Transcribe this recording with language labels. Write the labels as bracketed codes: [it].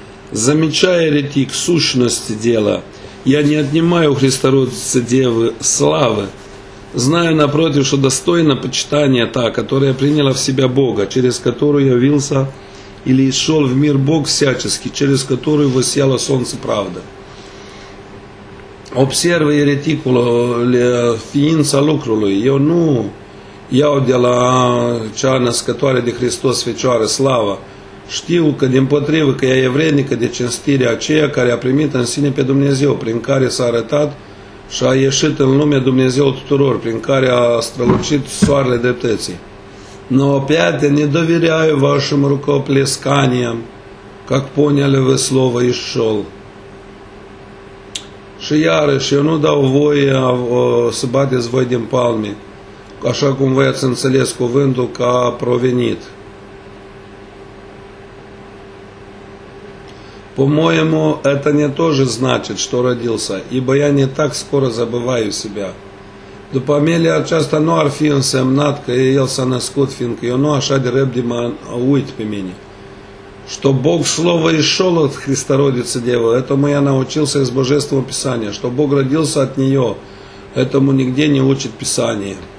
[ru] Замечая еретик сущности дела, я не отнимаю у Христородицы Девы славы, знаю, напротив, что достойна почитания та, которая приняла в себя Бога, через которую явился или шел в мир Бог всячески, через которую воссияло солнце правды. [ro] Observă ereticul ființa lucrului. Eu nu iau de la cea născătoare de Hristos Fecioară slavă. Știu că din potrivă că ea e vrednică de cinstirea aceea care a primit în sine pe Dumnezeu, prin care s-a arătat și a ieșit în lume Dumnezeu tuturor, prin care a strălucit soarele dreptății. [ru] Но опять не доверяю вашим рукоплесканиям, как поняли вы слово и шел. [ro] Și iarăși, eu nu dau voie să bateți voi din palme, așa cum voi ați înțeles cuvântul că a provenit. [ru] По-моему, это не то же значит, что родился, ибо я не так скоро забываю себя. [ro] După мелия aceasta nu ar fi însemnat că el s-a născut, fiindcă eu nu așa de repede mă uit pe mine. [ru] Что Бог Слово и шел от Христородицы Девы, этому я научился из Божественного Писания. Что Бог родился от нее, этому нигде не учит Писание.